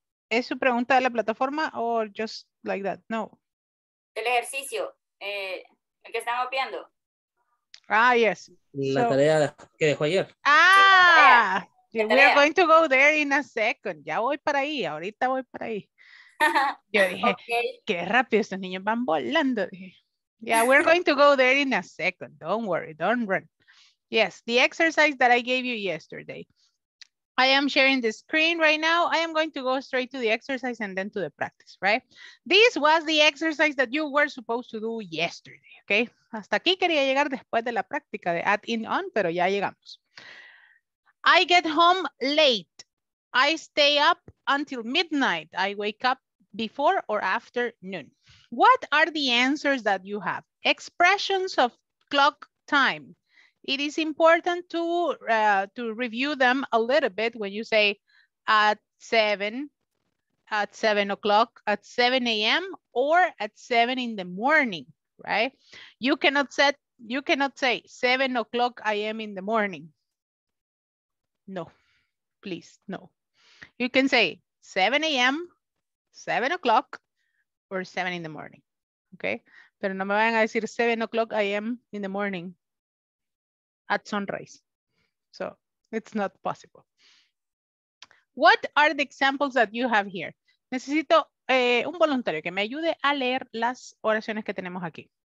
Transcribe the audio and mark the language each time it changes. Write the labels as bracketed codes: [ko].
[es] ¿Es su pregunta de la plataforma [en] or just like that? [es] No. El ejercicio, el que están copiando. [en] Ah, yes. [es] La tarea que dejó ayer. [en] Ah, we are going to go there in a second. [es] Ya voy para ahí, ahorita voy para ahí. Yo dije, okay. Qué rápido, estos niños van volando. [en] Yeah, we're going to go there in a second. Don't worry, don't run. Yes, the exercise that I gave you yesterday. I am sharing the screen right now. I am going to go straight to the exercise and then to the practice, right? This was the exercise that you were supposed to do yesterday, okay? [es] Hasta aquí quería llegar después de la práctica de add in on, pero ya llegamos. [en] I get home late. I stay up until midnight. I wake up before or after noon. What are the answers that you have? Expressions of clock time. it is important to review them a little bit when you say at 7 o'clock, at 7 a.m. or at 7 in the morning, right? You cannot say 7 o'clock a.m. in the morning. No, please, no. You can say 7 a.m., 7 o'clock, or 7 in the morning, okay? [es] Pero no me vayan a decir [en] 7 o'clock a.m. in the morning at sunrise. So it's not possible. What are the examples that you have here? [es] Necesito un voluntario que me ayude a leer las oraciones que tenemos aquí.